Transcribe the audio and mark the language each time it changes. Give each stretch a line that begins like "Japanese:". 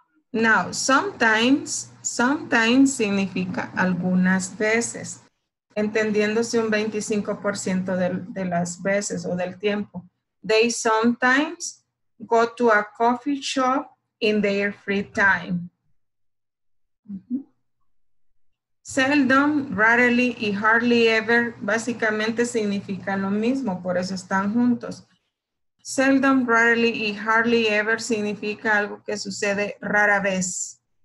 Spanish: Now, sometimes significa algunas veces, entendiéndose un 25% de las veces o del tiempo.
English: They sometimes go to a coffee shop in their free time.
Spanish: Seldom, rarely y hardly ever básicamente significan lo mismo, por eso están juntos. Seldom, rarely y hardly ever significa algo que sucede rara vez.